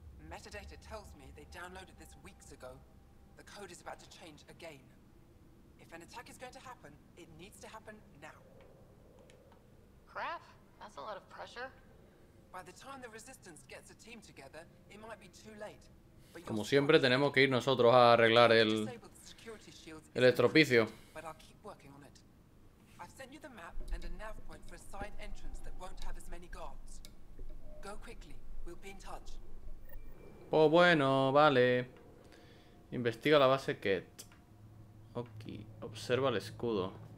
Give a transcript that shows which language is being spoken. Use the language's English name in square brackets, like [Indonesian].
[English] Metadata tells me they downloaded this weeks ago. The code is about to change again. If an attack is going to happen, it needs to happen now. Crap, that's a lot of pressure. By the time the resistance gets a team together, it might be too late. [Spanish] Como siempre, tenemos que ir nosotros a arreglar el estropicio. [English] I've sent you the map and a nav point for a side entrance that won't have as many guards. Go quickly, we'll be in touch. [Spanish] Oh, bueno, vale. Investiga la base Ket. Ok, observa el escudo.